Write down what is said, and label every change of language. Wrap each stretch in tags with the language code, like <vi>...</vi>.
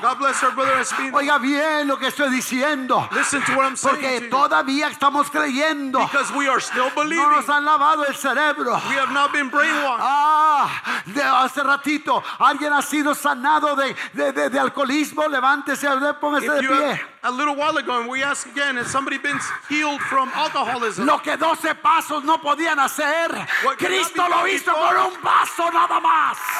<en>God bless our brother Espino.</en> <es>Oiga bien lo que estoy diciendo.</es> <en>Listen to what I'm saying.</en> <es>Porque todavía Estamos creyendo.</es> <en>Because we are still believing.</en> <es>No nos han lavado el cerebro.</es> <en>We have not been brainwashed.</en> <es>Ah, de hace ratito, alguien ha sido sanado de alcoholismo. Levántese, póngase.</es> <en>A little while ago, and we asked again, has somebody been healed from alcoholism?</en> <es>Lo que 12 pasos no podían hacer, Cristo lo hizo con un paso nada más.</es>